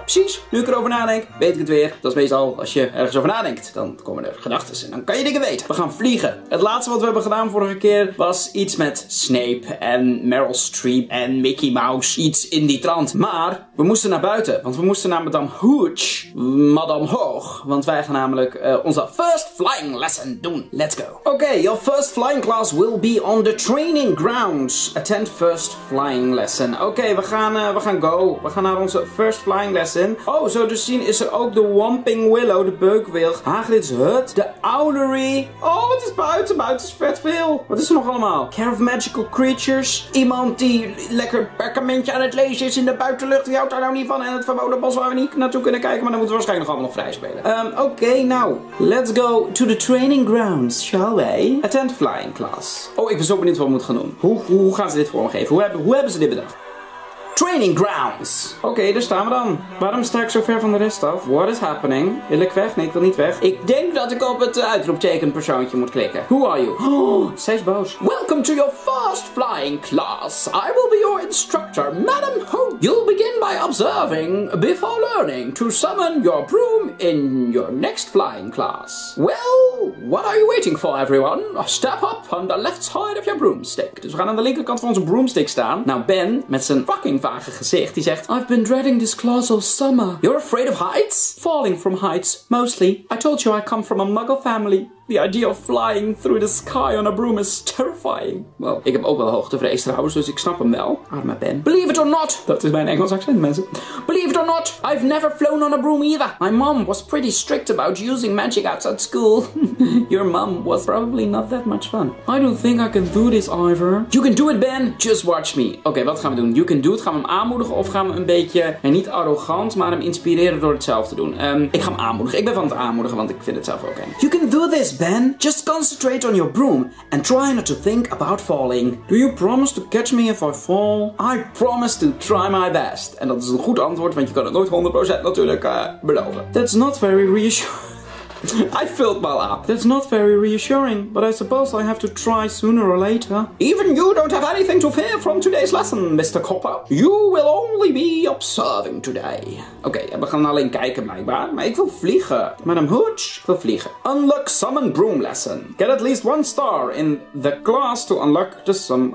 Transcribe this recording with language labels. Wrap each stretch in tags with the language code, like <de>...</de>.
<nl>Precies, nu ik erover nadenk, weet ik het weer. Dat is meestal als je ergens over nadenkt, dan komen er gedachten en dan kan je dingen weten. We gaan vliegen. Het laatste wat we hebben gedaan vorige keer was iets met Snape en Meryl Streep en Mickey Mouse, iets in die trant. Maar we moesten naar buiten, want we moesten naar Madame Hooch, Madame Hoog, want wij gaan namelijk onze first flying lesson doen.</nl> <en>Let's go. Okay, your first flying class will be on the training grounds. Attend first flying lesson.</en> <nl>Okay, we gaan naar onze</nl> <en>first flying lesson.</en> <nl>Oh, zo te zien is er ook de Whomping Willow, de beukwilg, Hagrid's Hut, de Owlery. Oh, het is buiten, buiten is vet veel. Wat is er nog allemaal? Care of Magical Creatures, iemand die lekker perkamentje aan het lezen is in de buitenlucht, die houdt daar nou niet van, en het verboden bos waar we niet naartoe kunnen kijken, maar dan moeten we waarschijnlijk nog allemaal nog vrij spelen.</nl> <en>Okay, nou, let's go to the training grounds, shall we? Attend flying class.</en> <nl>Oh, ik ben zo benieuwd wat we moeten gaan doen. Hoe gaan ze dit vormgeven? Hoe hebben ze dit bedacht? Training grounds! Okay, daar staan we dan. Waarom sta ik zo ver van de rest af?</nl> <en>What is happening?</en> <nl>Wil ik weg? Nee, ik wil niet weg. Ik denk dat ik op het uitroepteken persoontje moet klikken.</nl> <en>Who are you?</en> <nl>Oh, zij is boos.</nl> <en>Welcome to your fast flying class. I will be your instructor, Madam Hope. You'll begin by observing before learning to summon your broom in your next flying class. Well, what are you waiting for, everyone? Step up on the left side of your broomstick.</en> <nl>Dus we gaan aan de linkerkant van onze broomstick staan. Nou, Ben, met zijn fucking vage gezicht, die zegt:</nl> <en>I've been dreading this class all summer. You're afraid of heights? Falling from heights, mostly. I told you I come from a muggle family. The idea of flying through the sky on a broom is terrifying.</en> <nl>Well, ik heb ook wel hoogtevrees trouwens, dus ik snap hem wel. Arme Ben.</nl> <en>Believe it or not,</en> <nl>dat is mijn Engels accent, mensen.</nl> <en>Believe it or not, I've never flown on a broom either. My mom was pretty strict about using magic outside school. Your mom was probably not that much fun. I don't think I can do this either. You can do it, Ben. Just watch me.</en> <nl>Okay, wat gaan we doen?</nl> <en>You can do it.</en> <nl>Gaan we hem aanmoedigen of gaan we een beetje, en niet arrogant, maar hem inspireren door het zelf te doen? Ik ga hem aanmoedigen. Ik ben van het aanmoedigen, want ik vind het zelf ook eng.</nl> <en>You can do this, Ben. Just concentrate on your broom and try not to think about falling. Do you promise to catch me if I fall? I promise to try my best.</en> <nl>En dat is een goed antwoord, want je kan het nooit 100% natuurlijk beloven.</nl> <en>That's not very reassuring. I filled my lap. That's not very reassuring, but I suppose I have to try sooner or later. Even you don't have anything to fear from today's lesson, Mr. Copper. You will only be observing today.</en> <nl>Okay, we gaan alleen kijken blijkbaar, maar ik wil vliegen. Madam Hooch, ik wil vliegen.</nl> <en>Unlock Summon Broom Lesson. Get at least one star in the class to unlock the sum.</en>